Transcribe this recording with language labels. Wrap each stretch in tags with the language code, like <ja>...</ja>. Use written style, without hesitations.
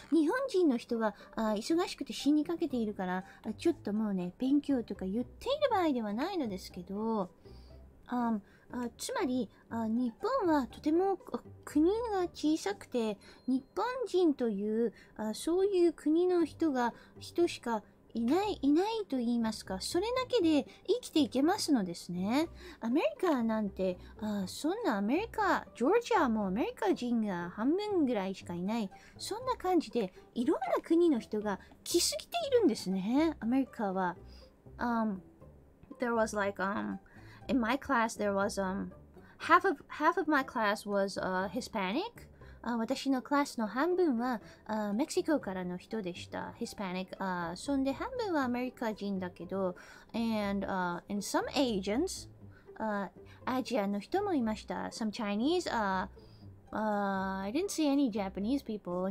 <ja>日本人の人は忙しくて死にかけているから、ちょっともうね、勉強とか言っている場合ではないのですけど、つまり、日本はとても国が小さくて、日本人というそういう国の人しかいないと言いますか、それだけで生きていけますのですね。アメリカなんて、そんなアメリカ、ジョージアもアメリカ人が半分ぐらいしかいない。そんな感じで、いろんな国の人が来すぎているんですね、アメリカは。</ja> <en>There was like, in my class, there was, half of my class was, Hispanic.</en> <ja>私のクラスの半分はメキシコからの人でした。</ja> <en>Hispanic。</en> <ja>そんで半分はアメリカ人だけど、</ja> <en>and some Asians、</en> <ja>アジアの人もいました。</ja> <en>Some Chinese、 I didn't see any Japanese people.</en>